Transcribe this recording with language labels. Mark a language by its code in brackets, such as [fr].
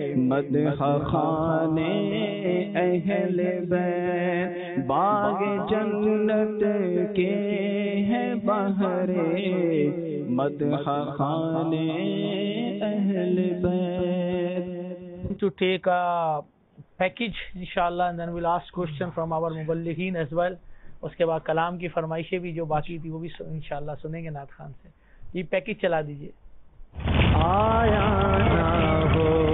[hi] मदहा खाने अहल बैत, बाग जन्नत के हैं बहरे, मदहा खाने अहल बैत. [en] To take a package inshallah, and then we'll ask question from our muballighin as well. [hi] उसके बाद कलाम की फरमाइशें भी जो बाकी थी वो भी इंशाल्लाह सुनेंगे नात खान से. ये पैकेज चला दीजिए. आया ना हो